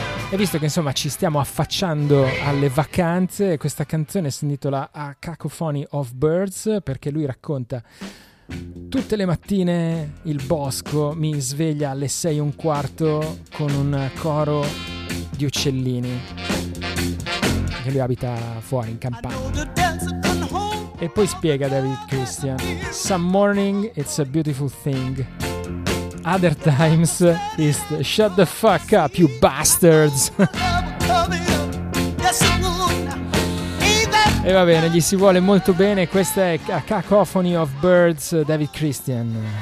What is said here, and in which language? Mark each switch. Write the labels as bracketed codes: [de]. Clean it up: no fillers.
[it] E visto che insomma ci stiamo affacciando alle vacanze, questa canzone si intitola A Cacophony of Birds, perché lui racconta: tutte le mattine il bosco mi sveglia alle 6:15 con un coro di uccellini, che lui abita fuori in campagna. E poi spiega [en] David Christian: some morning it's a beautiful thing, other times is the shut the fuck up, you bastards. [it] E va bene, gli si vuole molto bene. Questa è A Cacophony of Birds, David Christian.